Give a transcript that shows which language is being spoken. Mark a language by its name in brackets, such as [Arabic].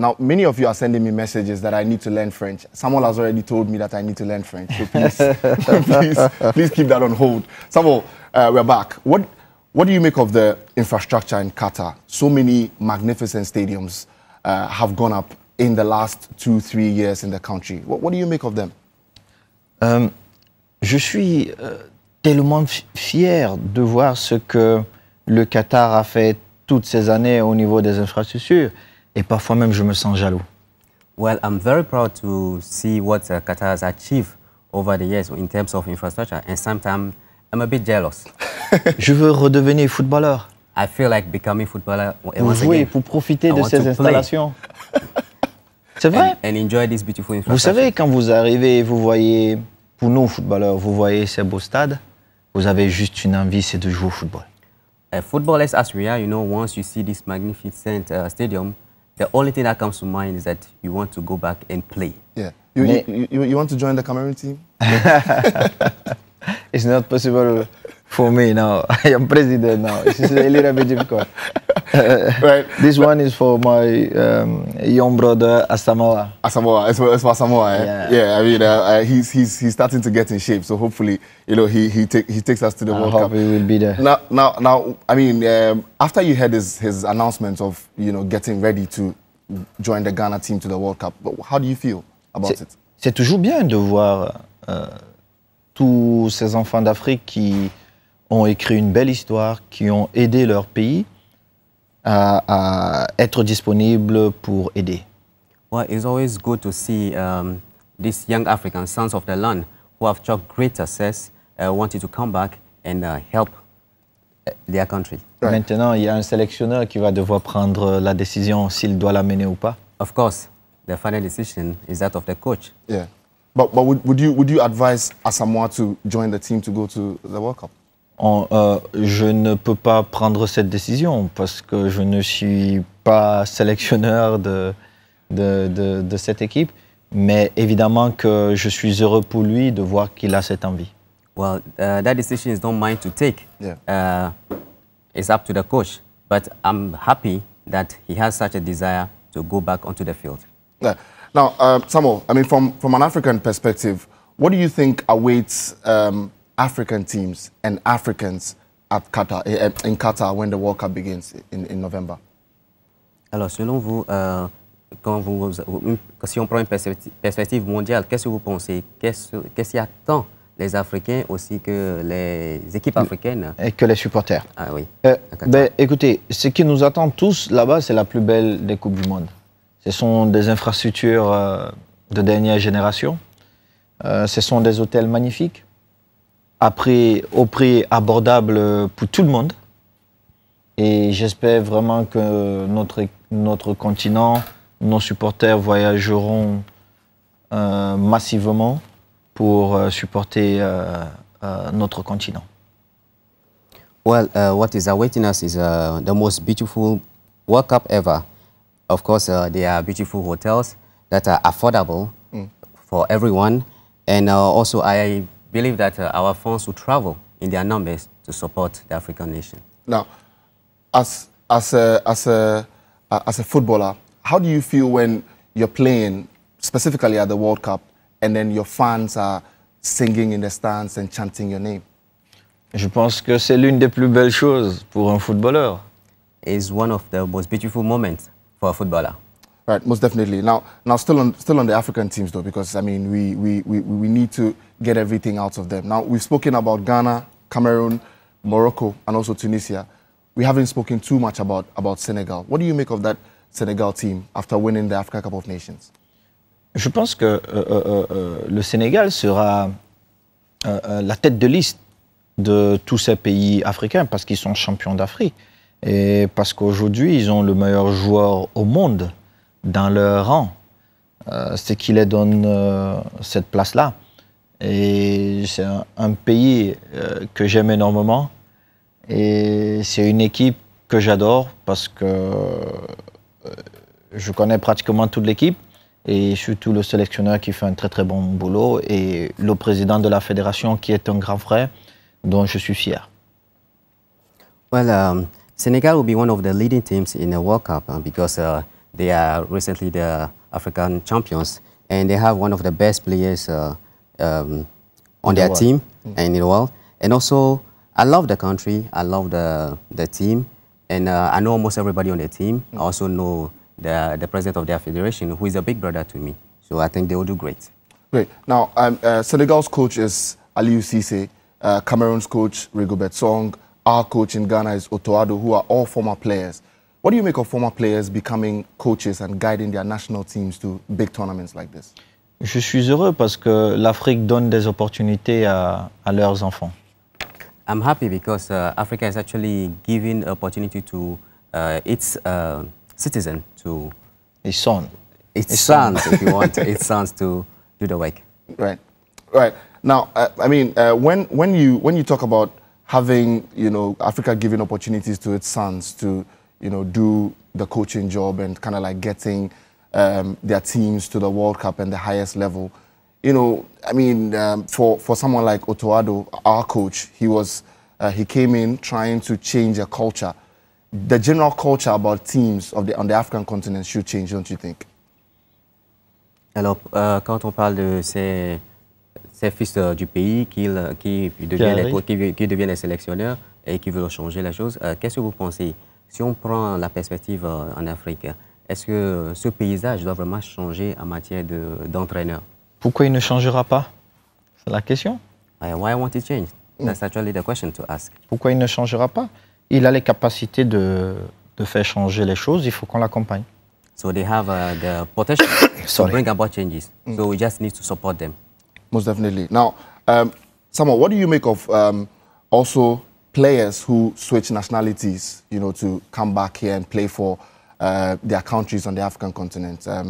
[English] Now, many of you are sending me messages that I need to learn French. Samuel has already told me that I need to learn French. So please keep that on hold. Samuel, we're back. What do you make of the infrastructure in Qatar? So many magnificent stadiums have gone up in the last 2-3 years in the country. What do you make of them? [French] Je suis tellement fier de voir ce que le Qatar a fait toutes ces années au niveau des infrastructures, et parfois même je me sens jaloux. [English] Well, I'm very proud to see what Qatar has achieved over the years in terms of infrastructure, and sometimes I'm a bit jealous. [French] Je veux redevenir footballeur. [English] I feel like becoming footballer once again. [French] Jouer pour profiter de ces installations. C'est vrai. [English] And enjoy this beautiful infrastructure. [French] Vous savez, quand vous arrivez, vous voyez, pour nous footballeurs, vous voyez ces beaux stades, vous avez juste une envie, c'est de jouer au football. [English] Footballers as we are, you know, once you see this magnificent stadium, the only thing that comes to mind is that you want to go back and play. Yeah. You want to join the Cameroon team? It's not possible. For me now, I am president now. This is a little bit difficult. Right. This one is for my young brother Asamoah. It's for Asamoah. Eh? Yeah. Yeah. I mean, he's starting to get in shape. So hopefully, you know, he takes us to the World Cup. I hope he will be there. Now. I mean, after you heard his announcement of, you know, getting ready to join the Ghana team to the World Cup, how do you feel about it? [French] C'est toujours bien de voir tous ces enfants d'Afrique qui ont écrit une belle histoire, qui ont aidé leur pays à être disponibles pour aider. [English] Well, it's always good to see these young African sons of the land who have achieved great success wanting to come back and help their country. Right. [French] Maintenant, il y a un sélectionneur qui va devoir prendre la décision s'il doit l'amener ou pas. [English] Of course, the final decision is that of the coach. Yeah, but would you advise Asamoah to join the team to go to the World Cup? [French] Je ne peux pas prendre cette décision parce que je ne suis pas sélectionneur de cette équipe, mais évidemment que je suis heureux pour lui de voir qu'il a cette envie. [English] Well, that decision is not mine to take. Yeah. It's up to the coach, but I'm happy that he has such a desire to go back onto the field. Yeah. Now, Samuel, I mean, from an African perspective, what do you think awaits African teams and Africans at Qatar, in Qatar when the World Cup begins in November? [French] Alors, selon vous, quand si on prend une perspective mondiale, qu'est-ce que vous pensez? Qu'est-ce qui attend les Africains aussi que les équipes africaines? Et que les supporters. Ah oui. Ben, écoutez, ce qui nous attend tous là-bas, c'est la plus belle des Coupes du Monde. Ce sont des infrastructures de dernière génération. Ce sont des hôtels magnifiques. Au prix abordable pour tout le monde. Et j'espère vraiment que notre continent, nos supporters voyageront massivement pour supporter notre continent. [English] Well, what is awaiting us is the most beautiful World Cup ever. Of course, there are beautiful hotels that are affordable for everyone. And also, I believe that our fans will travel in their numbers to support the African nation. Now, as a footballer, how do you feel when you're playing specifically at the World Cup and then your fans are singing in the stands and chanting your name? [French] Je pense que c'est l'une des plus belles choses pour un footballeur. [English] It's one of the most beautiful moments for a footballer. Right, most definitely. Now still on the African teams though, because I mean we need to get everything out of them. Now we've spoken about Ghana, Cameroon, Morocco and also Tunisia. We haven't spoken too much about Senegal. What do you make of that Senegal team after winning the Africa Cup of Nations? [French] Je pense que le Sénégal sera la tête de liste de tous ces pays africains parce qu'ils sont champions d'Afrique et parce qu'aujourd'hui ils ont le meilleur joueur au monde dans leur rang, ce qui les donne cette place-là. Et c'est un pays que j'aime énormément et c'est une équipe que j'adore parce que je connais pratiquement toute l'équipe et surtout le sélectionneur qui fait un très très bon boulot et le président de la fédération qui est un grand frère dont je suis fier. [English] Well, Senegal will be one of the leading teams in the World Cup because they are recently the African champions and they have one of the best players on their team and in the world. And also, I love the country, I love the team, and I know almost everybody on the team. I also know the president of their federation, who is a big brother to me. So I think they will do great. Great. Now, Senegal's coach is Aliou Cisse. Cameroon's coach, Rigobert Song. Our coach in Ghana is Eto'o, who are all former players. What do you make of former players becoming coaches and guiding their national teams to big tournaments like this? [French] Je suis heureux parce que l'Afrique donne des opportunités à leurs enfants. [English] I'm happy because Africa is actually giving opportunity to its citizen to... His son. Its son, if you want, its sons to do the work. Right, right. Now, I mean, when you talk about having, you know, Africa giving opportunities to its sons to, you know, do the coaching job and kind of like getting their teams to the World Cup and the highest level, you know, I mean, for someone like Eto'o, our coach, he came in trying to change a culture. The general culture about teams on the African continent should change, don't you think? [French] Alors, quand on parle de ces fils du pays qui devient les sélectionneurs et qui veulent changer la chose, qu'est-ce que vous pensez? Si on prend la perspective en Afrique, est-ce que ce paysage doit vraiment changer en matière d'entraîneur? Pourquoi il ne changera pas? C'est la question. [English] Why won't it change? That's actually the question to ask. [French] Pourquoi il ne changera pas? Il a les capacités de faire changer les choses, il faut qu'on l'accompagne. [English] So they have the potential to bring about changes. So we just need to support them. Most definitely. Now, Samuel, what do you make of also players who switch nationalities, you know, to come back here and play for their countries on the African continent?